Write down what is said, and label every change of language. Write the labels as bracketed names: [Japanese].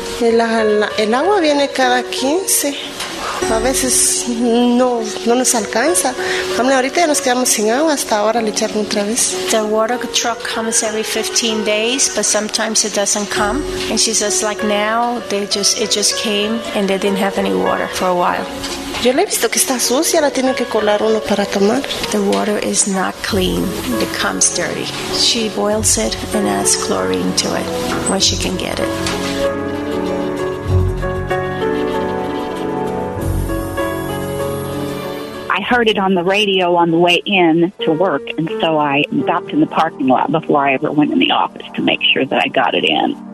[Spanish] El agua viene cada 15. A veces no nos alcanza. Hombre, ahorita ya nos quedamos sin agua. Hasta ahora le echaron otra vez. [English] The water truck comes every 15 days, but sometimes it doesn't come. And she says, like now, it just came and they didn't have any water for a while. [Spanish] Yo le he visto que está sucia, la tienen que colar uno para tomar. [English] The water is not clean, it comes dirty. She boils it and adds chlorine to it when she can get it. I heard it on the radio on the way in to work, and so I stopped in the parking lot before I ever went in the office to make sure that I got it in.